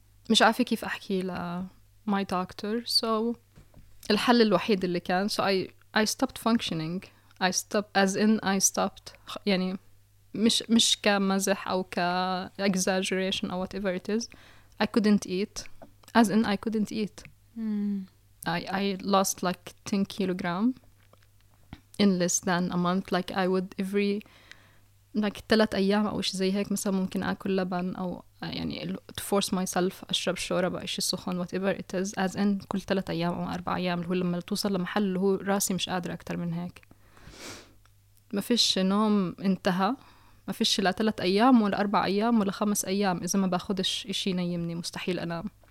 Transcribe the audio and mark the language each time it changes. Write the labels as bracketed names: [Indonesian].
[Arabic] مش عارف كيف أحكي ل [English] my doctor. [Arabic] So الحل الوحيد اللي كان. [English] So I stopped functioning. I stopped, as in I stopped, يعني... [Arabic] مش كمزح أو كexaggeration أو [English] whatever it is. I couldn't eat. As in, I couldn't eat. Mm. I lost like 10 kilograms in less than a month. Like I would every... [Arabic] like 3 أيام أو إشي زي هيك مثلا ممكن أكل لبن أو يعني [English] to force myself [Arabic] أشرب شوربة أو إشي سخون [English] whatever it is. As in, [Arabic] كل 3 أيام أو 4 أيام اللي هو لما توصل لمحل اللي هو راسي مش قادر أكتر من هيك. ما فيش نوم انتهى. ما فيش لا 3 أيام ولا 4 أيام ولا 5 أيام إذا ما باخدش إشي نيمني مستحيل أنام.